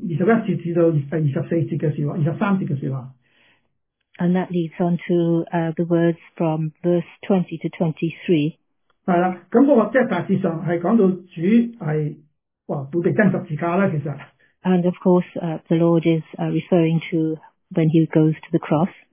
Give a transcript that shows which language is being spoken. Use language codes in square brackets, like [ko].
[yue] 21節至到24節嘅説話，23節嘅説話。 [en] And that leads on to the words from verse 20 to 23. [yue] 係啦，咁嗰個即係大致上係講到主係哇被釘十字架啦，其實。 [en] And of course, the Lord is referring to when he goes to the cross.